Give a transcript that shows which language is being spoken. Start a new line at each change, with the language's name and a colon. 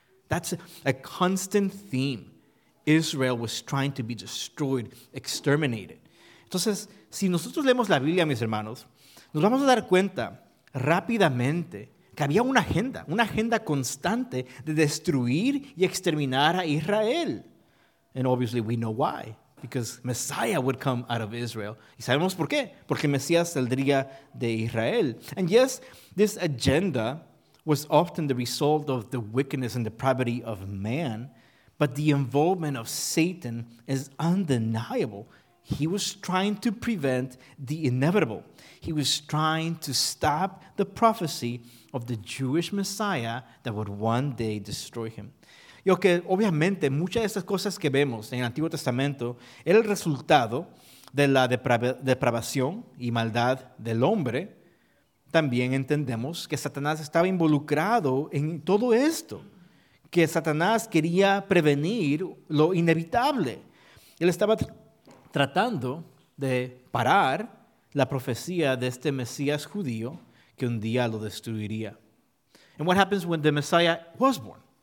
English: That's a constant theme. Israel was trying to be destroyed, exterminated.
Spanish: Entonces, si nosotros leemos la Biblia, mis hermanos, nos vamos a dar cuenta rápidamente que había una agenda constante de destruir y exterminar a Israel.
English: And obviously we know why, because Messiah would come out of Israel.
Spanish: Y sabemos por qué, porque Mesías saldría de Israel.
English: And yes, this agenda was often the result of the wickedness and depravity of man, but the involvement of Satan is undeniable. He was trying to prevent the inevitable. He was trying to stop the prophecy of the Jewish Messiah that would one day destroy him.
Spanish: Y aunque obviamente muchas de esas cosas que vemos en el Antiguo Testamento era el resultado de la depravación y maldad del hombre, también entendemos que Satanás estaba involucrado en todo esto, que Satanás quería prevenir lo inevitable. Él estaba tratando de parar la profecía de este Mesías judío que un día lo destruiría.
English: And what happens when the Messiah was born?